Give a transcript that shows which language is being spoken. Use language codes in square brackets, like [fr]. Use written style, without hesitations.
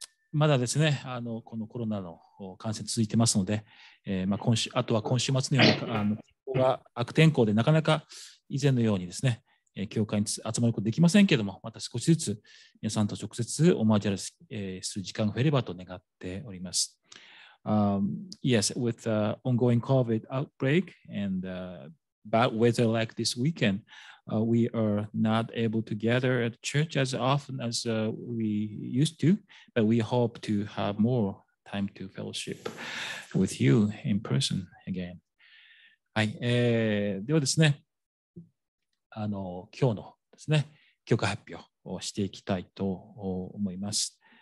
[ja] まだですね、あのこのコロナの感染続いてますので、まあ今週あとは今週末にはあの悪天候でなかなか以前のようにですね。教会に集まることできませんけれども、また少しずつ皆さんと直接お交わりする時間が増えればと願っております。 [en] Yes, with the ongoing COVID outbreak and bad weather like this weekend, we are not able to gather at church as often as we used to, but we hope to have more time to fellowship with you in person again. [ja] はい、ではですね。あの今日のですね、教科発表をしていきたいと思います。